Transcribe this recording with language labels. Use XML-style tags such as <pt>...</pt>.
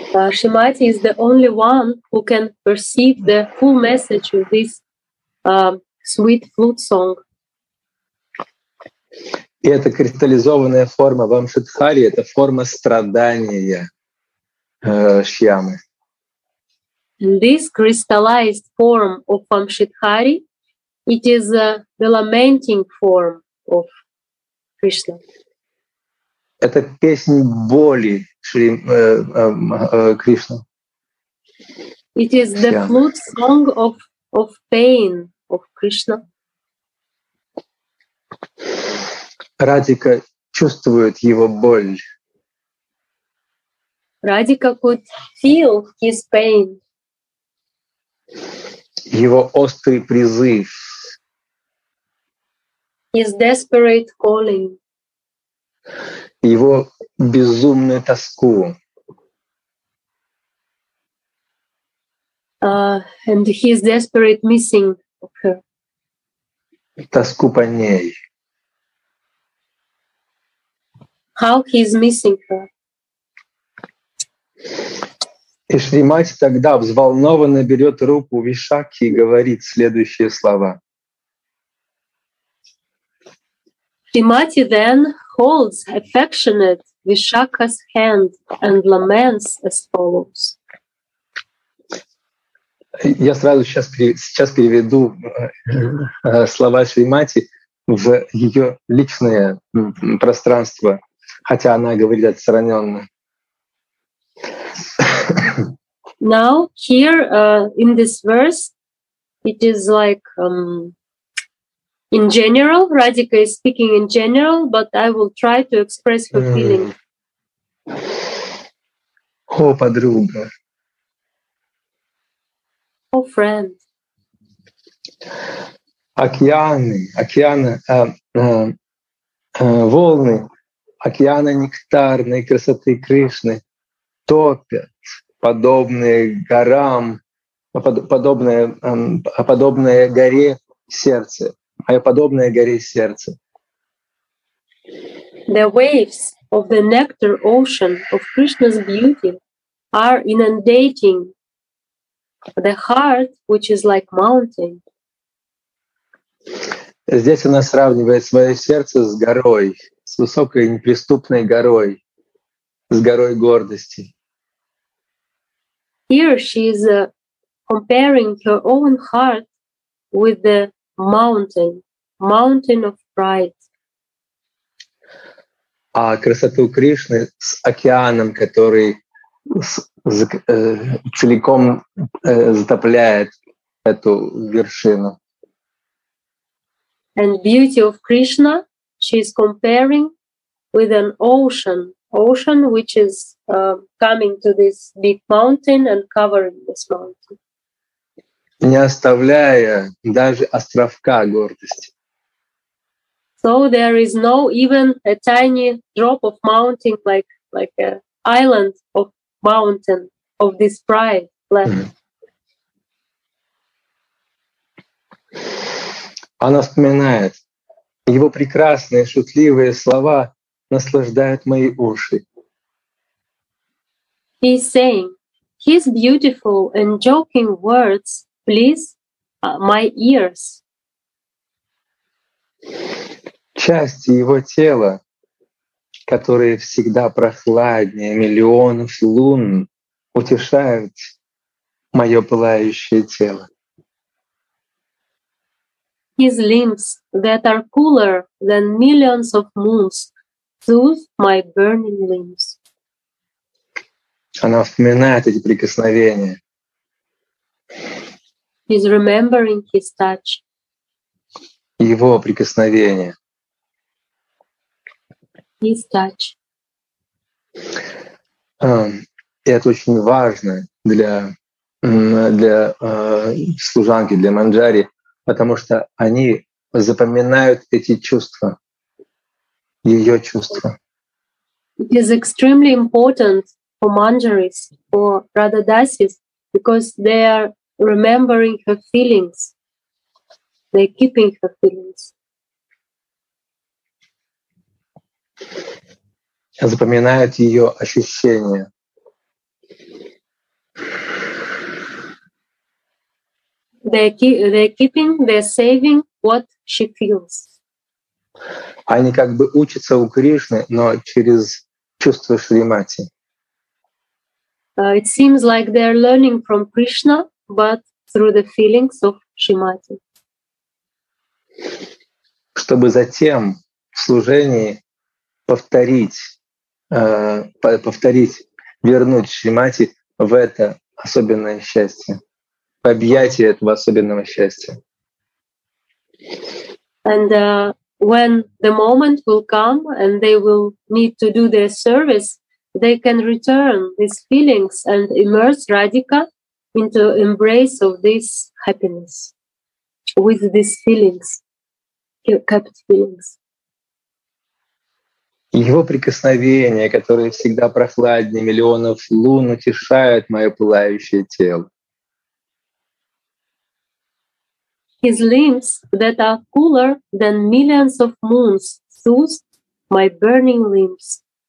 <en>Шримати is the only one who can perceive the full message of this sweet flute song.</en> <ru>И эта кристаллизованная форма Вамшидхари — это форма страдания Шьямы.</ru> <en>This crystallized form of Vamshidhari, it is the lamenting form of Krishna.</en> <ru>Это песня боли Кришны.</ru> <en>It is the flute song of pain of Krishna.</en> <ru>Радика чувствует его боль.</ru> <en>Радика could feel his pain.</en> <ru>Его острый призыв.</ru> <en>His desperate calling.</en> <ru>Его безумную тоску.</ru> <en>And his desperate missing of her.</en> <ru>Тоску по ней.</ru> <en>How he is missing her.</en> <ru>И Шри Мати тогда взволнованно берет руку Вишакхи и говорит следующие слова.</ru> <en>Шри Мати then holds affectionate Vishakha's hand and laments as follows.</en> <ru>Я сразу сейчас переведу слова Шри Мати в ее личное пространство, хотя она говорит отстраненно.</ru> <en>Now here in this verse, it is like in general, Radhika is speaking in general, but I will try to express her feeling.</en> <ru>О, подруга.</ru> <en>О, friend.</en> <ru>Океаны, волны, океаны нектарной красоты Кришны топят подобные горам, подобное горе сердце, а я подобное горе сердце.</ru> <en>The waves of the nectar ocean of Krishna's beauty are inundating the heart, which is like mountain.</en> <ru>Здесь она сравнивает свое сердце с горой, с высокой неприступной горой, с горой гордости.</ru> <en>Here she is comparing her own heart with the mountain, mountain of pride.</en> <ru>А красоту Кришны с океаном, который целиком затопляет эту вершину.</ru> <en>And beauty of Krishna, she is comparing with an ocean. Ocean, which is coming to this big mountain and covering this mountain.</en> <ru>Не оставляя даже островка гордости.</ru> <en>So there is no even a tiny drop of mountain, like an island of mountain, of this pride left.</en> <ru>Она вспоминает, его прекрасные шутливые слова наслаждают мои уши.</ru> <en>He's saying, his beautiful and joking words please my ears.</en> <ru>Части его тела, которые всегда прохладнее миллионов лун, утешают мое пылающее тело.</ru> <en>His limbs that are cooler than millions of moons soothe my burning limbs.</en> <ru>Она вспоминает эти прикосновения.</ru> <en>He's remembering his touch.</en> <ru>Его прикосновения.</ru> <en>His touch.</en> <ru>Это очень важно для служанки, для манджари. Потому что они запоминают эти чувства, ее чувства.</ru> <en>It is extremely important for manjaris, for radhadasis, because they are remembering her feelings, they keeping her feelings.</en> <ru>Запоминают ее ощущения.</ru> <en>They're keeping, they're saving what she feels.</en> <ru>Они как бы учатся у Кришны, но через чувства Шри Мати.</ru> <en>It seems like they're learning from Krishna, but through the feelings of Shri Mati.</en> <ru>Чтобы затем в служении повторить, вернуть Шри Мати в это особенное счастье. Объятия этого особенного счастья.</ru> <en>And when the moment will come and they will need to do their service, they can return these feelings and immerse Radhika into embrace of this happiness with these feelings, kept feelings.</en> <ru>Его прикосновения, которые всегда прохладнее миллионов лун, утешают мое пылающее тело.</ru> <en>His limbs that are cooler than millions of moons soothe my burning limbs.</en>